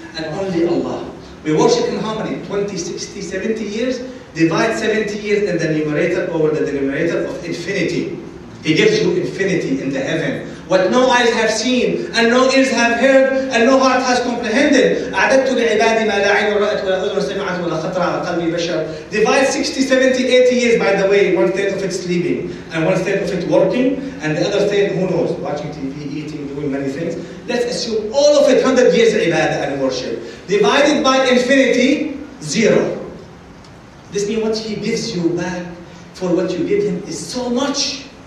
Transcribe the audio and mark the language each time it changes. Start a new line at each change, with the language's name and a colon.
English: And only Allah. We worship in how many? 20, 60, 70 years? Divide 70 years in the numerator over the denominator of infinity. He gives you infinity in the heaven. What no eyes have seen, and no ears have heard, and no heart has comprehended.
Arabic: أعددت لعبادي ما لا عين رأت ولا أذن سمعت ولا خطر على قلبي بشر.
English: Divide 60, 70, 80 years, by the way, one third of it sleeping, and one third of it working, and the other third, who knows, watching TV, eating, doing many things. Let's assume all of it, 100 years of ibadah and worship. Divided by infinity, zero. This means what he gives you back for what you give him is so much.